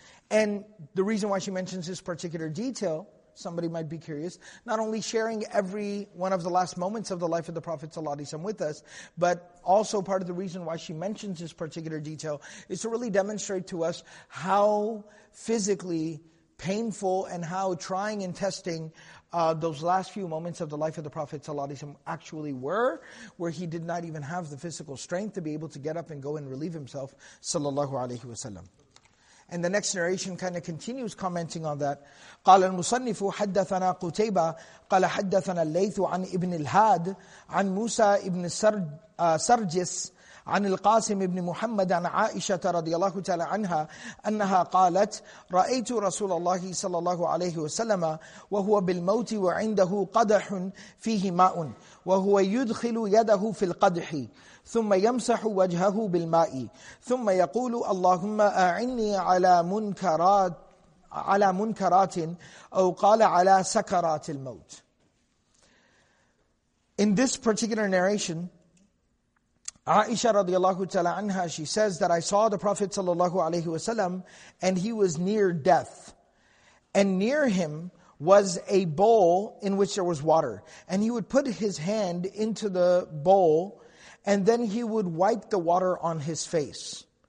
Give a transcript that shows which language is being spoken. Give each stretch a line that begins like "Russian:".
English: And the reason why she mentions this particular detail, somebody might be curious, not only sharing every one of the last moments of the life of the Prophet ﷺ with us, but also part of the reason why she mentions this particular detail is to really demonstrate to us how physically painful and how trying and testing those last few moments of the life of the Prophet ﷺ actually were, where he did not even have the physical strength to be able to get up and go and relieve himself sallallahu alayhi wa sallam. And the next narration kind of continues commenting on that.
Arabic: قال المصنف حدثنا قتيبة قال حدثنا الليث عن ابن الهاد عن موسى ابن سرجس عن القاسم بن محمد عن عائشة رضي الله تعالى عنها أنها قالت رأيت رسول الله صلى الله عليه وسلم وهو بالموت وعنده قدح فيه ماء وهو يدخل يده في القدح ثم يمسح وجهه بالماء ثم يقول اللهم أعني على منكرات أو قال على سكرات الموت.
English: In this particular narration, Aisha radiallahu ta'ala anha, she says that I saw the Prophet sallallahu alayhi wa sallam and he was near death. And near him was a bowl in which there was water. And he would put his hand into the bowl and then he would wipe the water on his face.